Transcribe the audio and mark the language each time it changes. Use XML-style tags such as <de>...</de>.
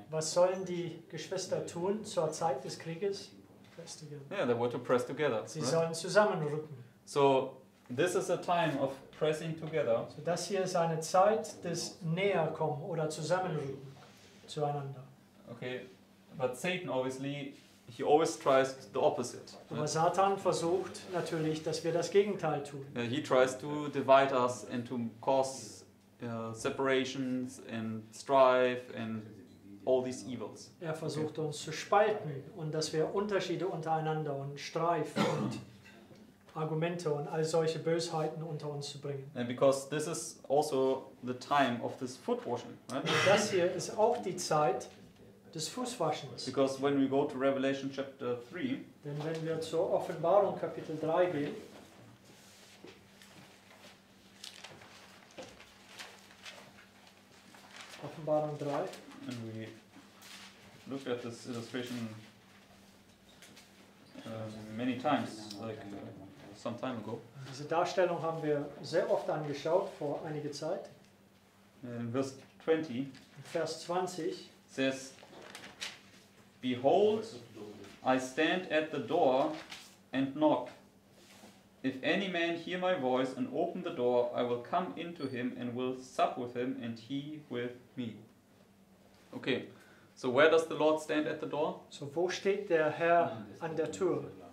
<de>Was sollen die Geschwister tun zur Zeit des Krieges?</de> <en>Yeah, they were to press together.</en> <de>Sie sollen zusammenrücken.</de> <en>So this is a time of pressing together.</en> <de>So das hier ist eine Zeit des Näherkommen oder zusammenrücken zueinander.</de> <en>Okay, but Satan obviously he always tries the opposite.</en> <de>Aber Satan versucht natürlich, dass wir das Gegenteil tun.</de> <en>Yeah, he tries to divide us and to cause separations and strife and all these evils.</en> <de>Er versucht uns zu spalten und dass wir Unterschiede untereinander und Streif und Argumente und all solche Bösheiten unter uns zu bringen.</de> <en>And because this is also the time of this foot washing, right?</en> <de>Das hier ist auch die Zeit des Fußwaschens.</de> <en>Because when we go to Revelation chapter 3,</en> <de>denn wenn wir zur Offenbarung Kapitel 3 gehen, Offenbarung 3.</de> <en>And we look at this illustration many times, like some time ago.</en> <de>Diese Darstellung haben wir sehr oft angeschaut vor einige Zeit.</de> <en>In verse 20.</en> <de>Vers 20.</de> <en>Says, "Behold, I stand at the door and knock. If any man hear my voice and open the door, I will come into him and will sup with him and he with me." Okay, so where does the Lord stand at the door?</en> <de>So wo steht der Herr an der Tür?</de>